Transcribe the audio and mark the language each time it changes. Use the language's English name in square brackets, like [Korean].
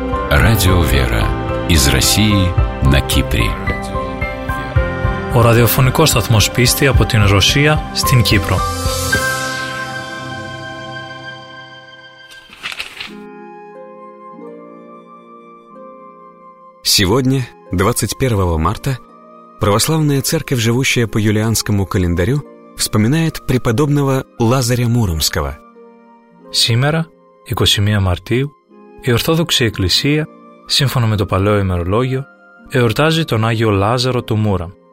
[Russian] Радио «Вера» из России на Кипре. [Greek] Ο ραδιοφωνικός σταθμός πίστη από την Ρωσία στην Κύπρο. [Russian] Сегодня, 21 марта, Православная Церковь, живущая по юлианскому календарю, вспоминает преподобного Лазаря Муромского. Сегодня, 21 марта, [Greek] η Ορθόδοξη Εκκλησία, σύμφωνα με το παλαιό ημερολόγιο, εορτάζει τον Άγιο Λάζαρο του Μούραμ.